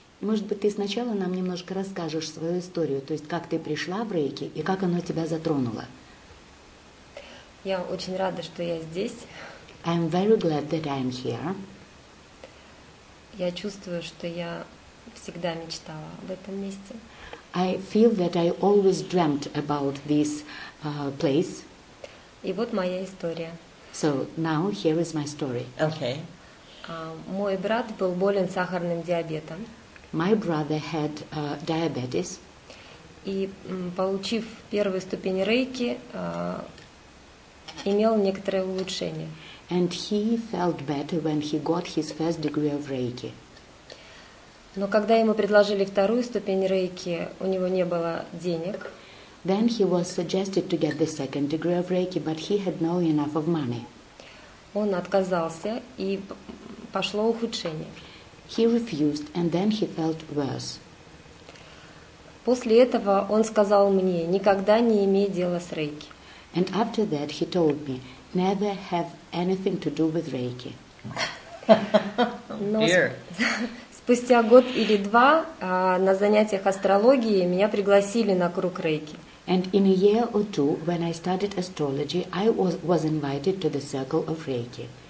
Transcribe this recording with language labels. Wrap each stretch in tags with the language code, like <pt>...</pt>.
<ru>Может быть, ты сначала нам немножко расскажешь свою историю, то есть как ты пришла в Рейки и как оно тебя затронуло? Я очень рада, что я здесь.</ru> <en>I'm very glad that I'm here.</en> <ru>Я чувствую, что я всегда мечтала об этом месте.</ru> <en>I feel that I always dreamt about this place.</en> <ru>И вот моя история.</ru> <en>So now here is my story. Okay.</en> <ru>Мой брат был болен сахарным диабетом.</ru> <en>My brother had diabetes.</en> <ru>и получив первую ступень рейки, имел некоторое улучшение.</ru> <en>And he felt better when he got his first degree of Reiki.</en> <ru>Но когда ему предложили вторую ступень рейки, у него не было денег.</ru> <en>Then he was suggested to get the second degree of Reiki, but he had no enough of money.</en> <ru>Он отказался, и пошло ухудшение.</ru> <en>He refused, and then he felt worse.</en> <ru>После этого он сказал мне: никогда не имей дела с Рейки.</ru> <en>And after that he told me, never have anything to do with Reiki.</en> <ru>Но спустя год или два на занятиях астрологии меня пригласили на круг Рейки.</ru> <en>And in a year or two, when I started astrology, I was invited to the circle of Reiki.</en>